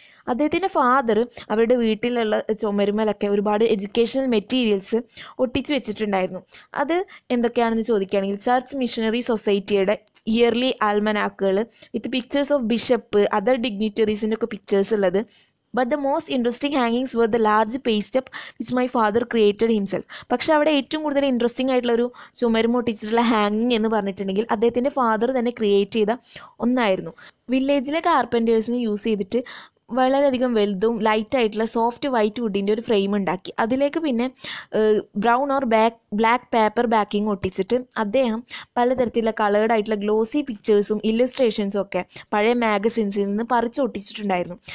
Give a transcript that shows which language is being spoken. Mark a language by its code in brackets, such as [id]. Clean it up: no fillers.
[ml] അദ്ദേഹത്തിൻ്റെ ഫാദർ അവരുടെ വീട്ടിലുള്ള ചുമരുമലൊക്കെ ഒരുപാട് എഡ്യൂക്കേഷണൽ മെറ്റീരിയൽസ് ഒട്ടിച്ചു വെച്ചിട്ടുണ്ടായിരുന്നു. അത് എന്തൊക്കെയാണെന്ന് ചോദിക്കുകയാണെങ്കിൽ, ചർച്ച് മിഷനറി സൊസൈറ്റിയുടെ yearly ആൽമനാക്കുകൾ [en] with pictures of bishop [ml] other ഡിഗ്നിറ്ററീസിൻ്റെ ഒക്കെ പിക്ചേഴ്സ് ഉള്ളത്. [en] But the most interesting hangings were the large paste up which my father created himself. [ml] പക്ഷേ അവിടെ ഏറ്റവും കൂടുതൽ ഇൻട്രസ്റ്റിംഗ് ആയിട്ടുള്ള ഒരു ചുമരുമൊട്ടിച്ചിട്ടുള്ള ഹാങ്ങിങ് എന്ന് പറഞ്ഞിട്ടുണ്ടെങ്കിൽ അദ്ദേഹത്തിൻ്റെ ഫാദർ തന്നെ ക്രിയേറ്റ് ചെയ്ത ഒന്നായിരുന്നു. വില്ലേജിലെ കാർപ്പൻറ്റേഴ്സിന് യൂസ് ചെയ്തിട്ട് വളരെയധികം വലുതും ലൈറ്റായിട്ടുള്ള സോഫ്റ്റ് വൈറ്റ് വുഡിൻ്റെ ഒരു ഫ്രെയിം ഉണ്ടാക്കി, അതിലേക്ക് പിന്നെ brown or black paper backing ഒട്ടിച്ചിട്ട് അദ്ദേഹം പലതരത്തിലുള്ള കളേർഡ് ആയിട്ടുള്ള ഗ്ലോസി പിക്ചേഴ്സും ഇല്ലുസ്ട്രേഷൻസും ഒക്കെ പഴയ മാഗസിൻസിൽ നിന്ന് പറിച്ച് ഒട്ടിച്ചിട്ടുണ്ടായിരുന്നു.